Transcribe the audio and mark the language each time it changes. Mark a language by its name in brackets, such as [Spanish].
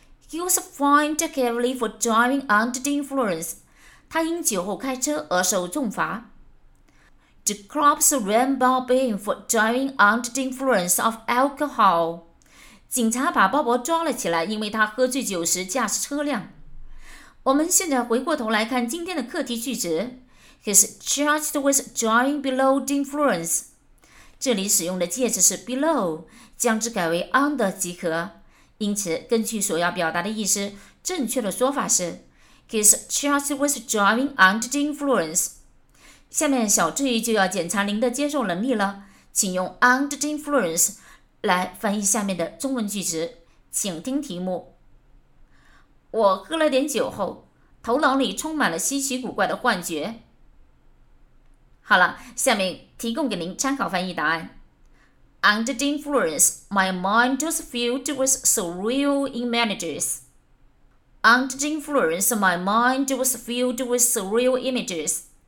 [English] He was fined heavily for driving under the influence。 [Chinese] 他因酒后开车而受重罚。 [English] The cops ran Bob in for driving under the influence of alcohol。 [Chinese] 警察把鲍勃抓了起来，因为他喝醉酒时驾驶车辆。我们现在回过头来看今天的课题句子。 [English] He's charged with driving below the influence。 [Chinese] 这里使用的介词是 below， 将之改为 under 即可。因此根据所要表达的意思，正确的说法是 [English] He's charged with driving under the influence。 [Chinese] 下面小智就要检查您的接受能力了，请用 under the influence 来翻译下面的中文句子。请听题目。我喝了点酒后，头脑里充满了稀奇古怪的幻觉。好了，下面提供给您参考翻译答案。 [English] Under the influence, my mind was filled with surreal images. Under the influence, my mind was filled with surreal images.